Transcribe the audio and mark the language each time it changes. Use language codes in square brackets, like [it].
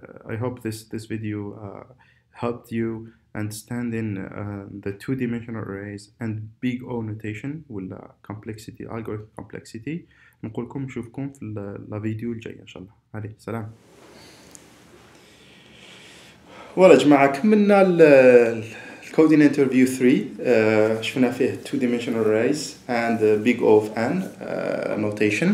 [en] I hope this video helped you understand in the two dimensional arrays and big O notation ولا complexity algorithm complexity. [ar] نقولكم نشوفكم في لا فيديو الجاي ان شاء الله. عليه سلام. ولا جماعه كملنا الكودين انترفيو 3. شفنا فيه [en] two dimensional arrays and big O of N notation.